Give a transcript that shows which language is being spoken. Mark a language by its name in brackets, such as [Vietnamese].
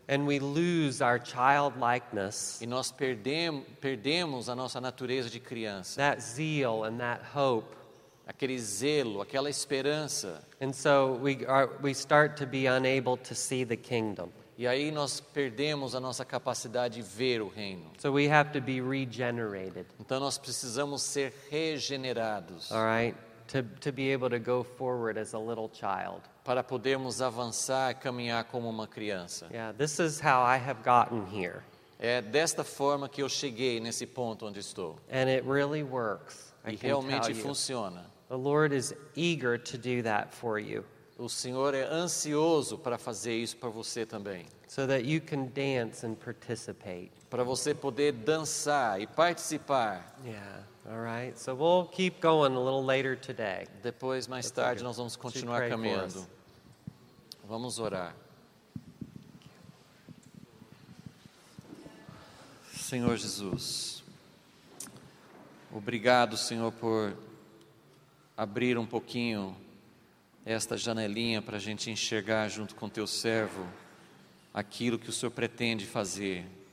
[English] And we lose our childlikeness. [Portuguese] E nós perdemos a nossa natureza de criança. [English] That zeal and that hope. [Portuguese] Aquele zelo, aquela esperança. [English] And so we start to be unable to see the kingdom. [Portuguese] E aí nós perdemos a nossa capacidade de ver o reino. [English] So we have to be regenerated. [Portuguese] Então nós precisamos ser regenerados. [English] All right? To be able to go forward as a little child. [Portuguese] Para podermos avançar, caminhar como uma criança. [English] Yeah, this is how I have gotten here. [Portuguese] É desta forma que eu cheguei nesse ponto onde estou. [English] And it really works. [Portuguese] E realmente funciona. [English] The Lord is eager to do that for you. [Portuguese] O Senhor é ansioso para fazer isso para você também. [English] So that you can dance and participate. [Portuguese] Para você poder dançar e participar. [English] Yeah. All right. So we'll keep going a little later today. [Portuguese] Depois, mais tarde, nós vamos continuar caminhando. Vamos orar. Senhor Jesus, obrigado, Senhor, por abrir um pouquinho esta janelinha para a gente enxergar junto com Teu servo aquilo que o Senhor pretende fazer.